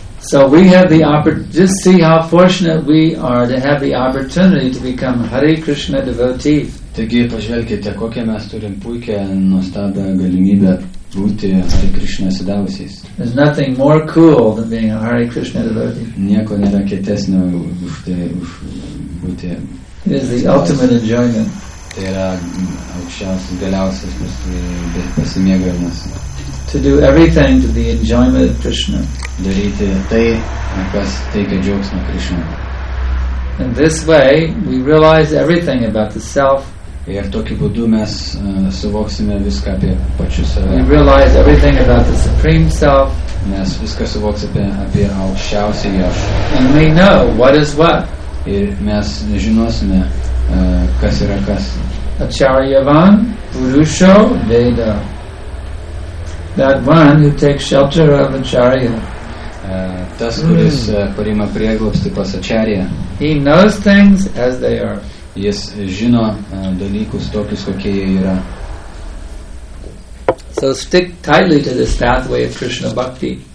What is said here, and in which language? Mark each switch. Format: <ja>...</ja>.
<en>So we have the opportunity, just see how fortunate we are to have the opportunity to become Hare Krishna devotee.</en> <lt>Taigi pažvelkite, kokią mes turim puikią nuostabią galimybę būti Hare Krishna sidavusiais.</lt> <en>There's nothing more cool than being a Hare Krishna devotee.</en> <lt>Nieko nėra kietesnio už tai, už būti.</lt> <en>It is the ultimate enjoyment.</en> <lt>Tai yra aukščiausias, galiausias pasimėgavimas.</lt> <en>To do everything to the enjoyment of Krishna.</en> <lt>Daryti tai, kas teikia džiaugsmą Krishna.</lt> <en>In this way, we realize everything about the self.</en> <lt>Ir tokiu būdu mes suvoksime viską apie pačius save.</lt> <en>We realize everything about the Supreme Self.</en> <lt>Mes viską suvoksime apie aukščiausiąjį aš.</lt> <en>And we know what is what.</en> <lt>Ir mes žinosime, kas yra kas.</lt> <sa>Acharyavan, Purusho, Veda.</sa> <en>That one who takes shelter of Acharya.</en> <lt>Tas, kuris priima prieglobstį pas Acharya.</lt> <en>He knows things as they are.</en> <lt>Jis žino dalykus tokius, kokie jie yra.</lt> <en>So stick tightly to this pathway of Krishna Bhakti.</en>